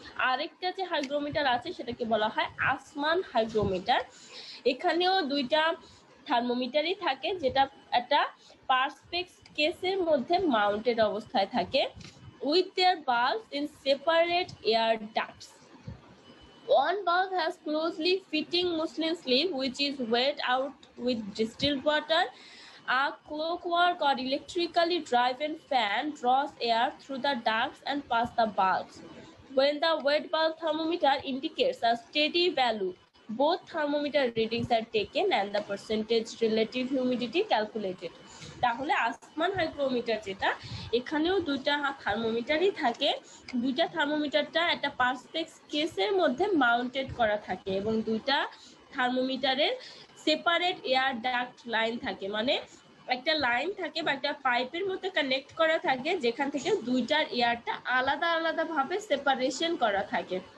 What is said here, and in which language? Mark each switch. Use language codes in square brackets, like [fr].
[bn] আরেকটা যে হাইগ্রোমিটার আছে সেটাকে বলা হয় আসমান হাইগ্রোমিটার। এখানেও দুইটা থার্মোমিটারই থাকে, যেটা একটা পার্সপেক্স কেসের মধ্যে মাউন্টেড অবস্থায় থাকে [en] with their bulbs in separate air ducts. One bulb has closely fitting muslin sleeve which is wet out with distilled water. A clockwork or electrically driven fan draws air through the ducts and past the bulbs. When the wet bulb thermometer indicates a steady value, both thermometer readings are taken and the percentage relative humidity calculated. [bn] তাহলে আসমান hygrometer যেটা, এখানেও দুইটা থার্মোমিটারই থাকে, দুইটা থার্মোমিটারটা একটা পার্সপেক্স কেসের মধ্যে মাউন্টেড করা থাকে এবং দুইটা থার্মোমিটারের সেপারেট এয়ার ডাক্ট লাইন থাকে, মানে একটা লাইন থাকে বা একটা পাইপের মধ্যে কানেক্ট করা থাকে যেখান থেকে দুইটার এয়ারটা আলাদা আলাদা ভাবে সেপারেশন করা থাকে।